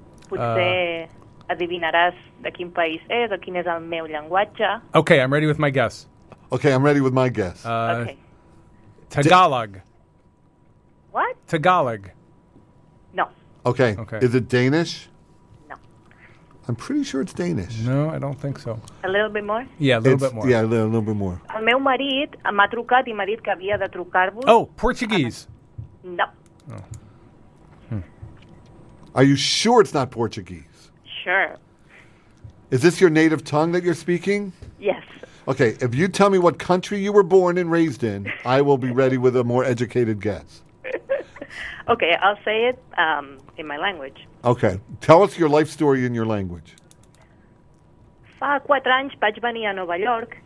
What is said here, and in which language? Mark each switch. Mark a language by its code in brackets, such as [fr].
[ca] Potser adivinaràs de quin país és o quin és el meu llenguatge. [en] Okay, I'm ready with my guess. Okay, I'm ready with my guess. Okay. Tagalog. What? Tagalog. No. Okay. Okay. Is it Danish? No. I'm pretty sure it's Danish. No, I don't think so. A little bit more? Yeah, a little bit more. Yeah, a little bit more. [ca] El meu marit m'ha trucat i m'ha dit que havia de trucar-vos. [en] Oh, Portuguese. No. Oh. Are you sure it's not Portuguese? Sure. Is this your native tongue that you're speaking? Yes. Okay, if you tell me what country you were born and raised in, I will be ready with a more educated guess. Okay, I'll say it in my language. Okay, tell us your life story in your language. [ca] Fa 4 anys vaig venir a Nova York.